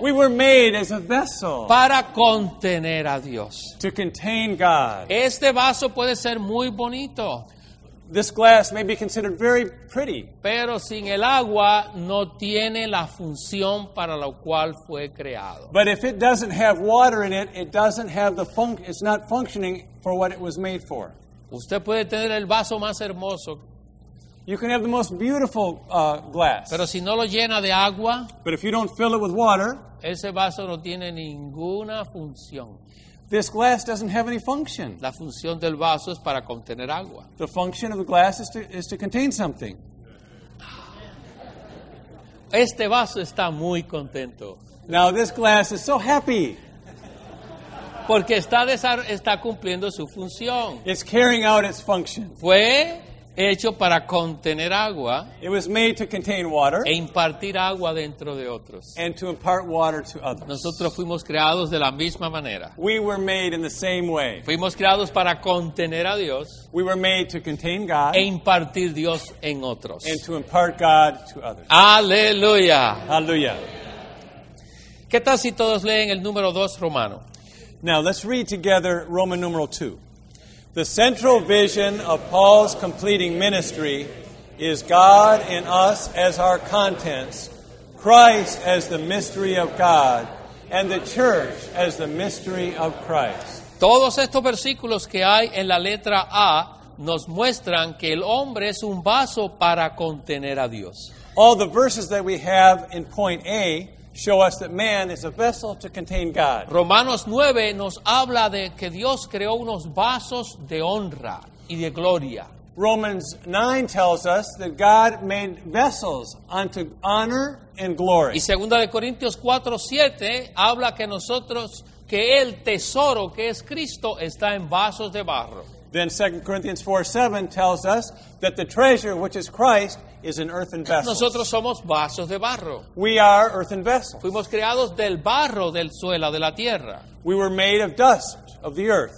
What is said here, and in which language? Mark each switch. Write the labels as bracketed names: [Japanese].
[English] We were made as a vessel. [Spanish] Para contener a Dios. [English] To contain God. [Spanish] Este vaso puede ser muy bonito. [English] This glass may be considered very pretty. [Spanish] Pero sin el agua no tiene la función para la cual fue creado. [English] But if it doesn't have water in it, it doesn't have the it's not functioning for what it was made for. [Spanish] Usted puede tener el vaso más hermoso. [English] You can have the most beautiful glass. [Spanish] Pero si no lo llena de agua, [English] but if you don't fill it with water, [Spanish] ese vaso no tiene ninguna función. [English] This glass doesn't have any function. [Spanish] La función del vaso es para contener agua. [English] The function of the glass is to contain something. [Spanish] Este vaso está muy contento. [English] Now this glass is so happy. [Spanish] Porque está cumpliendo su función. [English] It's carrying out its function. [Spanish] Fue hecho para contener agua. [English] It was made to contain water. [Spanish] E impartir agua dentro de otros. [English] And to impart water to others. [Spanish] Nosotros fuimos creados de la misma manera. [English] We were made in the same way. [Spanish] Fuimos creados para contener a Dios. [English] We were made to contain God. [Spanish] E impartir Dios en otros. [English] And to impart God to others. [Spanish] Aleluya. Aleluya. ¿Qué tal si todos leen el número 2 romano? [English] Now let's read together Roman numeral 2. The central vision of Paul's completing ministry is God in us as our contents, Christ as the mystery of God, and the church as the mystery of Christ. [Spanish] Todos estos versículos que hay en la letra A nos muestran que el hombre es un vaso para contener a Dios. [English] All the verses that we have in point A show us that man is a vessel to contain God. [Spanish] Romanos 9 nos habla de que Dios creó unos vasos de honra y de gloria. [English] Romans 9 tells us that God made vessels unto honor and glory. [Spanish] Y 2 de Corintios 4:7 habla que nosotros que el tesoro que es Cristo está en vasos de barro. [English] Then 2 Corinthians 4:7 tells us that the treasure which is Christ is an earthen vessel. [Spanish] Nosotros somos vasos de barro. [English] We are earthen vessels. [Spanish] Fuimos creados del barro del suelo de la tierra. [English] We were made of dust of the earth.